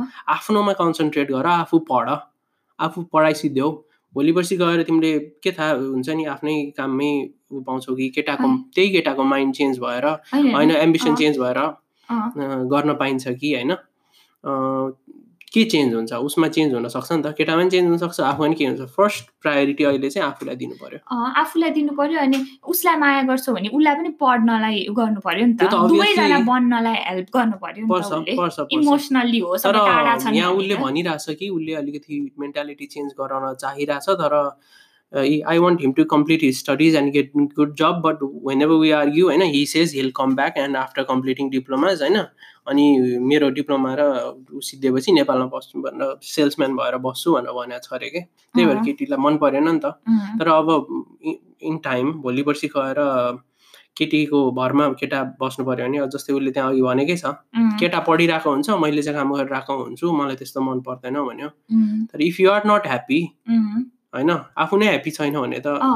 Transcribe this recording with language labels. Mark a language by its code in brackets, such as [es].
[ne] आफ्नोमा कन्सन्ट्रेट गर आफू पढ आफू पढाइ सिद्ध्यौ भोलि पर्सि गएर तिमीले के थाहा हुन्छ नि आफ्नै काममै ऊ पाउँछौ कि केटाको त्यही केटाको माइन्ड चेन्ज भएर होइन एम्बिसन चेन्ज भएर गर्न पाइन्छ कि होइन के चेन्ज हुन्छ उसमा चेन्ज हुनसक्छ नि त केटामा पनि चेन्ज हुनसक्छ आफू पनि के हुन्छ फर्स्ट प्रायोरिटी अहिले चाहिँ आफूलाई दिनु पर्यो आफूलाई दिनु पर्यो अनि उसलाई माया गर्छौ भने उसलाई पनि पढ्नलाई गर्नु पर्यो नि त दुवैजना बन्नलाई हेल्प गर्नु पर्यो इमोसनली हो तर यहाँ उसले भनिरहेछ कि उसले अलिकति मेन्टालिटी चेन्ज गराउन चाहिरहेछ तर [en] I want him to complete his studies and get good job, but whenever we argue, you know, he says he'll come back and after completing diplomas, I know. [ne] अनि मेरो डिप्लोमा र सिद्धेपछि नेपालमा बस्छु भनेर salesman भएर बस्छु भनेर भनेको छ अरे कि त्यही भएर केटीलाई मन परेन नि त तर अब इन टाइम भोलि पर्सि गएर केटीको भरमा केटा बस्नु पऱ्यो भने जस्तै उसले त्यहाँ अघि भनेकै छ केटा पढिरहेको हुन्छ मैले चाहिँ काम गरिरहेको हुन्छु मलाई त्यस्तो मन पर्दैन भन्यो तर [en] if you're not happy [ne] होइन आफू नै ह्याप्पी छैन भने त